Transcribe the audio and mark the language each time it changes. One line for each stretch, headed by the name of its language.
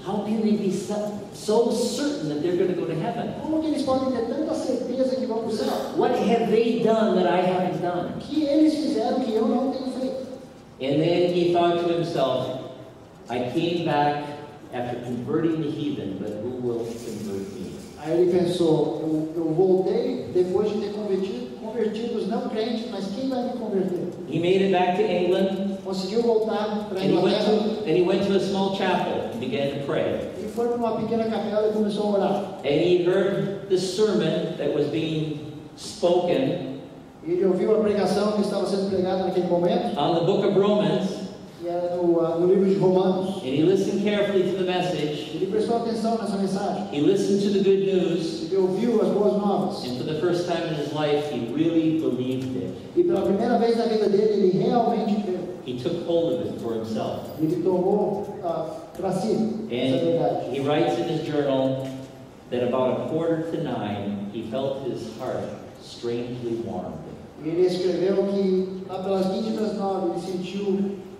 English: How can they be so certain that they're going to go to heaven?
Portuguese: Como que eles podem ter tanta certeza que vão para o céu?
English: What have they done that I haven't done?
Portuguese: Que eles fizeram que eu não tenho feito?
English: And then he thought to himself, I came back after converting the heathen, but who will convert me?
Portuguese: Aí ele pensou, eu voltei depois de ter convertido os não crentes, mas quem vai me converter?
English: He made it back to England.
Portuguese: Conseguiu voltar para Inglaterra.
English: And he went to a small chapel and began to pray.
Portuguese: E foi para uma pequena capela e começou a orar.
English: And he heard the sermon that was being spoken.
Portuguese: E ele ouviu a pregação que estava sendo pregada naquele momento.
English: On the book of Romans.
Portuguese: No livro de Romanos.
English: And he listened carefully to the message.
Portuguese: Ele prestou atenção nessa mensagem.
English: He listened to the good news.
Portuguese: Ele ouviu as boas novas.
English: And for the first time in his life, he really believed it.
Portuguese: E pela primeira vez na vida dele, ele realmente creu.
English: He took hold of it for himself.
Portuguese: Ele tomou para si.
English: And he writes in his journal that about a quarter to nine, he felt his heart strangely warm.
Portuguese: Ele escreveu que lá pelas 20 para as 9, ele sentiu.